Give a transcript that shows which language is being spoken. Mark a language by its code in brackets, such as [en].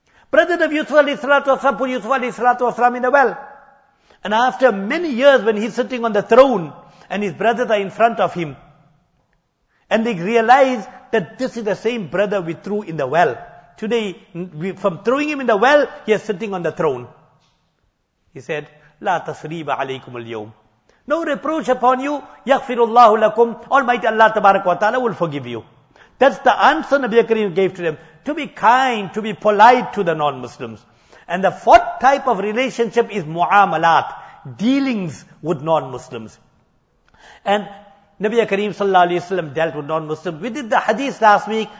[en] Brother of Yusuf Alayhi Salatu Wasalam put Yusuf Alayhi Salatu Wasalam in the well. And after many years, when he's sitting on the throne and his brothers are in front of him, and they realize that this is the same brother we threw in the well. Today, from throwing him in the well, he is sitting on the throne. He said, [ar] لا تصريب عليكم اليوم. [en] No reproach upon you. [ar] يغفر الله لكم. [en] Almighty Allah [ar] تبارك وتعالى [en] will forgive you. That's the answer Nabi Kareem gave to them. To be kind, to be polite to the non-Muslims. And the fourth type of relationship is mu'amalat, dealings with non-Muslims. And Nabi Kareem sallallahu alayhi wa sallam dealt with non-Muslims. We did the hadith last week.